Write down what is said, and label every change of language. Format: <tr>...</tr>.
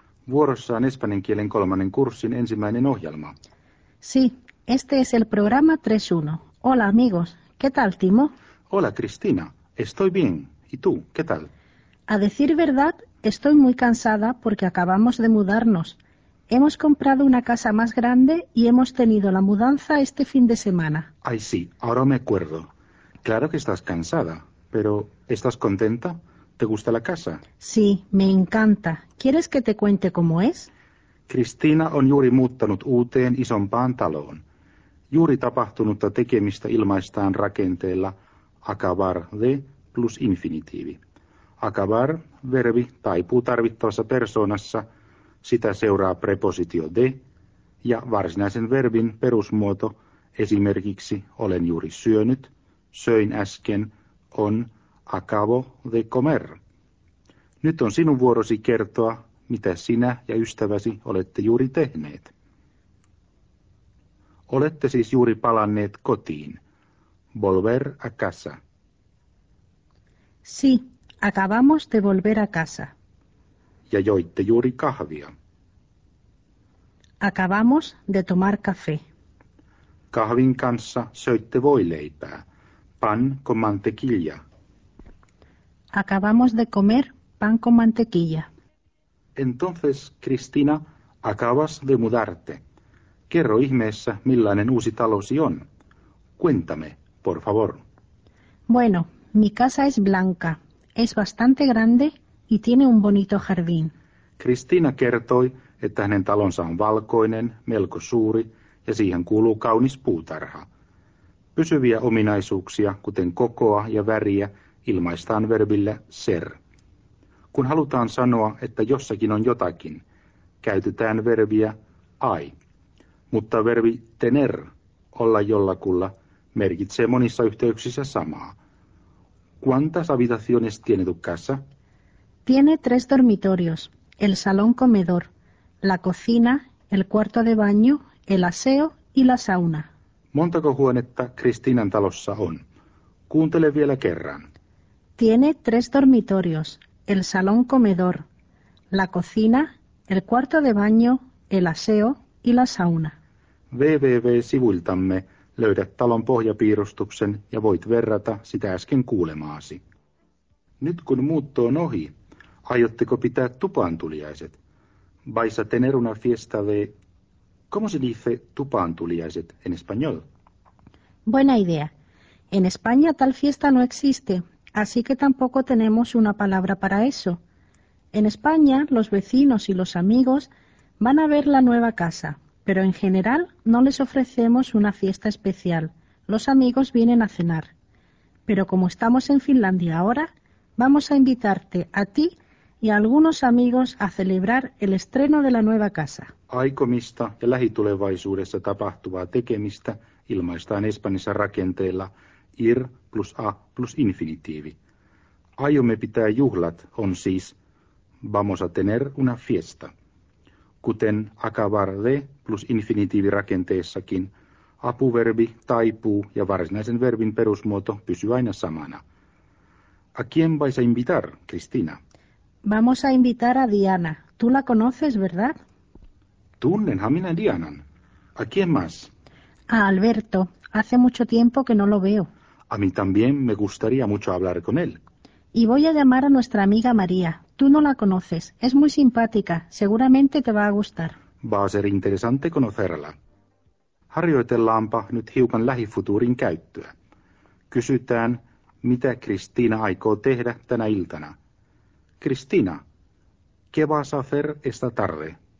<fi>Vuorossa on espanjan kielen kolmannen kurssin ensimmäinen ohjelma.</fi> <es>Sí, este es el programa 3.1. Hola amigos, ¿qué tal Timo? Hola Cristina, estoy bien. ¿Y tú, qué tal? A decir verdad, estoy muy cansada porque acabamos de mudarnos. Hemos comprado una casa más grande y hemos tenido la mudanza este fin de semana. Ay sí, ahora me acuerdo. Claro que estás cansada, pero ¿estás contenta? ¿Te gusta la casa? Sí, me encanta. ¿Quieres que te cuente cómo es?</es> <fi>Cristina on juuri muuttanut uuteen isompaan taloon. Juuri tapahtunutta tekemistä ilmaistaan rakenteella acabar de plus infinitiivi. Acabar, verbi, taipuu tarvittavassa persoonassa, sitä seuraa prepositio de ja varsinaisen verbin perusmuoto, esimerkiksi olen juuri syönyt, söin äsken, on</fi> <es>acabo de comer.</es> <fi>Nyt on sinun vuorosi kertoa, mitä sinä ja ystäväsi olette juuri tehneet. Olette siis juuri palanneet kotiin.</fi> <es>Volver a casa. Sí, acabamos de volver a casa.</es> <fi>Ja joitte juuri kahvia.</fi> <es>Acabamos de tomar café.</es> <fi>Kahvin kanssa söitte voileipää.</fi> <es>Pan con mantequilla. Acabamos de comer pan con mantequilla. Entonces, Cristina, acabas de mudarte.</es> <fi>Kerro ihmeessä, millainen uusi talosi on.</fi> <es>Cuéntame, por favor. Bueno, mi casa es blanca, es bastante grande y tiene un bonito jardín.</es> <fi>Cristina kertoi, että hänen talonsa on valkoinen, melko suuri ja siihen kuuluu kaunis puutarha. Pysyviä ominaisuuksia, kuten kokoa ja väriä, ilmaistaan verbillä ser. Kun halutaan sanoa, että jossakin on jotakin, käytetään verbiä ai. Mutta verbi tener, olla jollakulla, merkitsee monissa yhteyksissä samaa.</fi> <es>¿Cuántas habitaciones tiene tu casa? Tiene tres dormitorios, el salón comedor, la cocina, el cuarto de baño, el aseo y la sauna.</es> <fi>Montako huonetta Kristiinan talossa on? Kuuntele vielä kerran.</fi> <es>Tiene tres dormitorios. El salón comedor, la cocina, el cuarto de baño, el aseo y la sauna.</es> <fi>www-sivuiltamme löydät talon pohjapiirustuksen ja voit verrata sitä äsken kuulemaasi. Nyt kun muutto on ohi, aiotteko pitää tupaantuliaiset?</fi> <es>¿Vais a tener una fiesta de... ¿Cómo se dice tupaantuliaiset en español? Buena idea. En España tal fiesta no existe. Así que tampoco tenemos una palabra para eso. En España, los vecinos y los amigos van a ver la nueva casa, pero en general no les ofrecemos una fiesta especial. Los amigos vienen a cenar. Pero como estamos en Finlandia ahora, vamos a invitarte a ti y a algunos amigos a celebrar el estreno de la nueva casa.</es> <fi>Aikomista ja lähitulevaisuudessa tapahtuvaa tekemistä ilmaistaan Espanjassa rakenteella ir plus a plus infinitiivi. Aiomme pitää juhlat on siis</fi> <es>vamos a tener una fiesta.</es> <fi>Kuten acabar de plus infinitiivi rakenteessakin, apuverbi taipuu ja varsinaisen verbin perusmuoto pysyy aina samana.</fi> <es>¿A quién vais a invitar, Cristina? Vamos a invitar a Diana. Tú la conoces, ¿verdad?</es> <fi>Tunnenhan minä Dianan.</fi> <es>¿A quién más? A Alberto. Hace mucho tiempo que no lo veo. A mí también me gustaría mucho hablar con él. Y voy a llamar a nuestra amiga María. Tú no la conoces. Es muy simpática. Seguramente te va a gustar. Va a ser interesante conocerla.</es> <fi>Harjoitellaanpa nyt hiukan lähifutuurin käyttöä. Kysytään, mitä Cristina aikoo tehdä tänä iltana.</fi> <es>Cristina, ¿qué vas a hacer esta tarde?</es>